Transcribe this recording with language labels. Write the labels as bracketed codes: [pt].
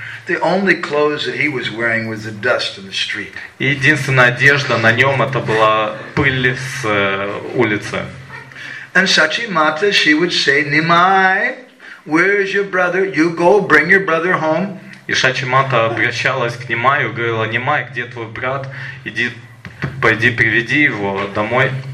[en] The only clothes that he was wearing was the dust in the street. [ru] И единственная одежда на нем это была пыль с улицы. [en] And Шачимата, she would say, Nimai, where is your brother? You go bring your brother home. [ru] И Шачимата обращалась к Нимаю, говорила: Нимай, где твой брат? Иди, пойди, приведи его домой.